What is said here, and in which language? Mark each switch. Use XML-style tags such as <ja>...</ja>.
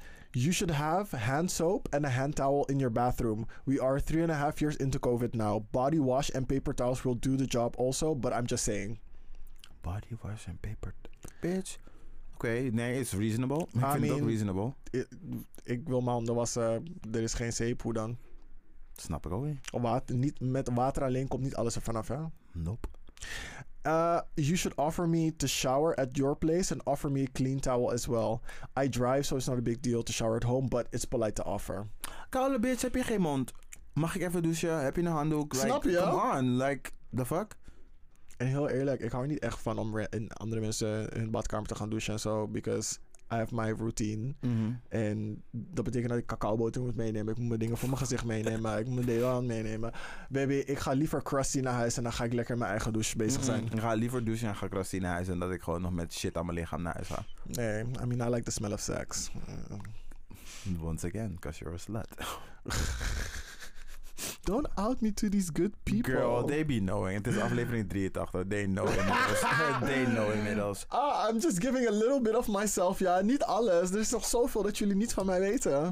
<en>You should have hand soap and a hand towel in your bathroom. We are 3.5 years into COVID now. Body wash and paper towels will do the job also, but I'm just saying. Body wash and paper... Bitch. Oké, okay, nee, it's reasonable.</en> <nl>Ik vind het ook reasonable. Ik wil mijn handen wassen. Er is geen zeep, hoe dan? Snap ik ook niet. Met water alleen komt niet alles er vanaf, hè?</nl> <en>Nope. You should offer me to shower at your place and offer me a clean towel as well. I drive, so it's not a big deal to shower at home, but it's polite to offer.</en> <nl>Koude bitch, heb je geen mond? Mag ik even douchen? Heb je een handdoek? Snap je?</nl> <en>Come on, like, the fuck?</en> <nl>En heel eerlijk, ik hou niet echt van om in andere mensen hun badkamer te gaan douchen en zo,</nl> <en>because I have my routine.</en> <nl>Mm-hmm. En dat betekent dat ik cacaoboter moet meenemen. Ik moet mijn dingen voor mijn gezicht meenemen. Ik moet mijn deodorant meenemen. Baby, ik ga liever crusty naar huis en dan ga ik lekker mijn eigen douche bezig zijn. Ik ga liever douchen en ga crusty naar huis en dat ik gewoon nog met shit aan mijn lichaam naar huis ga.</nl> <en>Nee, I mean, I like the smell of sex. Once again, because you're a slut. Don't out me to these good people. Girl, they be knowing.</en> <nl>Het is aflevering 83.</nl> <en>They know inmiddels. I'm just giving a little bit of myself, ja.</en> <nl>Niet alles. Er is nog zoveel dat jullie niet van mij weten.</nl>